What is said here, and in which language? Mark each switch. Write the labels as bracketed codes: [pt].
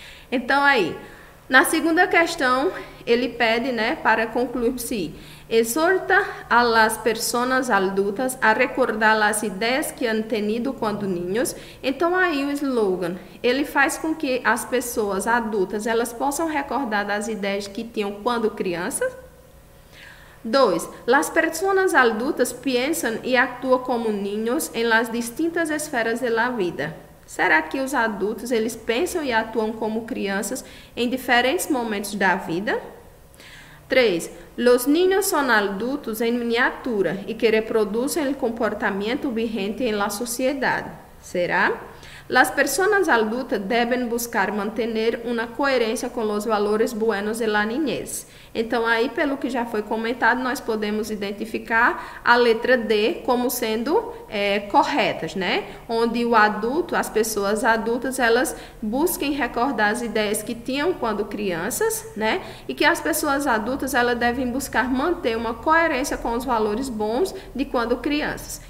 [pt] Então, aí, na segunda questão, ele pede, né, para concluir-se, [es] exorta a las personas adultas a recordar las ideias que han tenido quando niños. [pt] Então, aí o slogan, ele faz com que as pessoas adultas, elas possam recordar das ideias que tinham quando crianças. 2. [es] Las personas adultas piensan y actúan como niños en las distintas esferas de la vida. [pt] Será que os adultos, eles pensam e atuam como crianças em diferentes momentos da vida? 3. [es] Los niños son adultos en miniatura y que reproducen el comportamiento vigente en la sociedad. Será? Las personas adultas deben buscar mantener una coherencia con los valores buenos de la niñez. [pt] Então, aí, pelo que já foi comentado, nós podemos identificar a letra D como sendo corretas, né? Onde o adulto, as pessoas adultas, elas busquem recordar as ideias que tinham quando crianças, né? E que as pessoas adultas, elas devem buscar manter uma coerência com os valores bons de quando crianças.